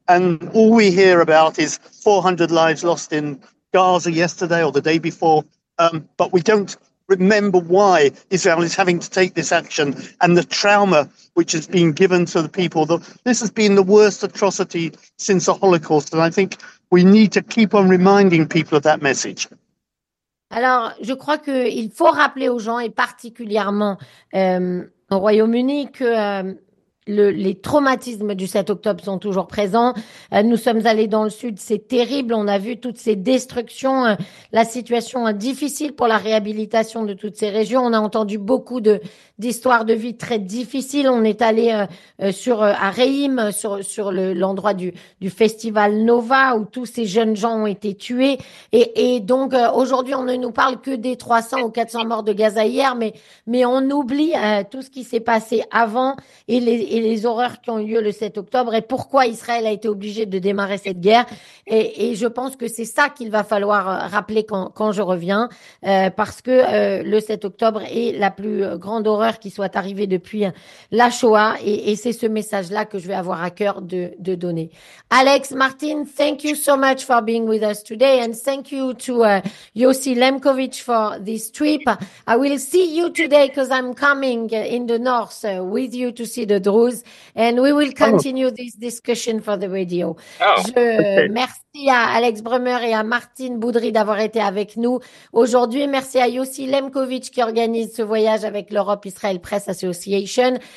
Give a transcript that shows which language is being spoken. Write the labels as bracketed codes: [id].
[en] And all we hear about is 400 lives lost in Gaza yesterday or the day before, but we don't remember why Israel is having to take this action and the trauma which has been given to the people. This has been the worst atrocity since the Holocaust, and I think we need to keep on reminding people of that message. [fr] Alors, je crois que il faut rappeler aux gens, et particulièrement au Royaume-Uni, que les traumatismes du 7 octobre sont toujours présents. Nous sommes allés dans le sud, c'est terrible, on a vu toutes ces destructions, la situation est difficile pour la réhabilitation de toutes ces régions. On a entendu beaucoup d'histoires de vie très difficiles. On est allé à Reim, sur l'endroit du festival Nova où tous ces jeunes gens ont été tués. Et donc aujourd'hui, on ne nous parle que des 300 ou 400 morts de Gaza hier, mais on oublie tout ce qui s'est passé avant et les horreurs qui ont eu lieu le 7 octobre et pourquoi Israël a été obligé de démarrer cette guerre. Et je pense que c'est ça qu'il va falloir rappeler quand je reviens, parce que le 7 octobre est la plus grande horreur qui soit arrivée depuis la Shoah et c'est ce message-là que je vais avoir à cœur de donner. [en] Alex, Martin, thank you so much for being with us today and thank you to Yossi Lemkovic for this trip. I will see you today because I'm coming in the north with you to see the Druze, and we will continue this discussion for the radio. [fr] Merci à Alex Brummer et à Martine Boudry d'avoir été avec nous aujourd'hui. Merci à Yossi Lemkovic qui organise ce voyage avec l'Europe Israel Press Association.